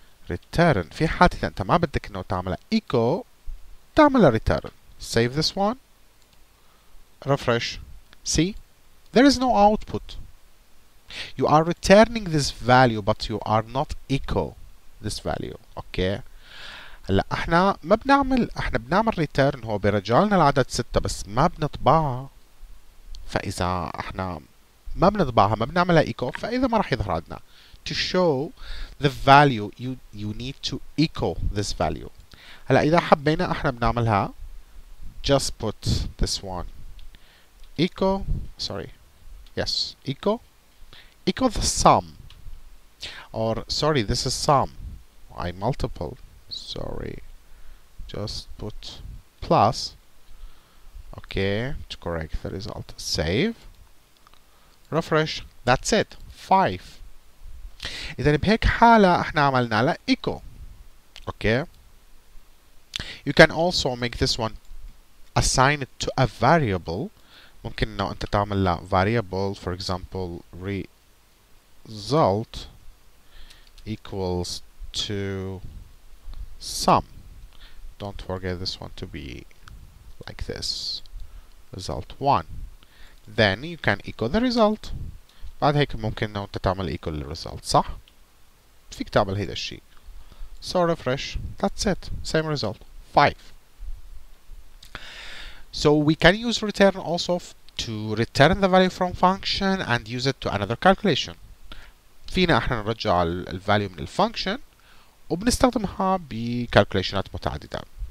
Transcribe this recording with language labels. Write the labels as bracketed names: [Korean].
[Arabic] Return في حالة انت ما بدك انه تعمل echo تعمل return. [English] Save this one. refresh. See, there is no output. You are returning this value, but you are not echo this value. Okay. [Arabic] هلا احنا ما بنعمل, احنا بنعمل return, هو بيرجع لنا العدد 6 بس ما بنطبعها. فاذا احنا ما بنطبعها, ما بنعملها echo, فاذا ما راح يظهر عندنا. [English] To show the value, you need to echo this value. [Arabic] هلا اذا حبينا احنا بنعملها, [English] just put this one echo, sorry, yes, echo, echo the sum, or sorry, this is sum, I multiple, sorry, just put plus, okay, to correct the result, save, refresh, that's it, 5. [Arabic] إذن بهيك حالة احنا عملنا على echo, [English] okay. You can also make this one assign it to a variable. [Arabic] ممكن انه انت تعمل له variable, [English] for example, result equals to sum. Don't forget this one to be like this. Result 1. Then you can echo the result. [Arabic] بعد هيك ممكن انه انت تعمل equal result, صح؟ فيك تعمل هيدا الشيء. [English] So refresh. That's it. Same result. 5. So we can use return also to return the value from function and use it to another calculation. [Arabic] فينا احنا نرجع ال value من ال function وبنستخدمها ب calculations متعددة.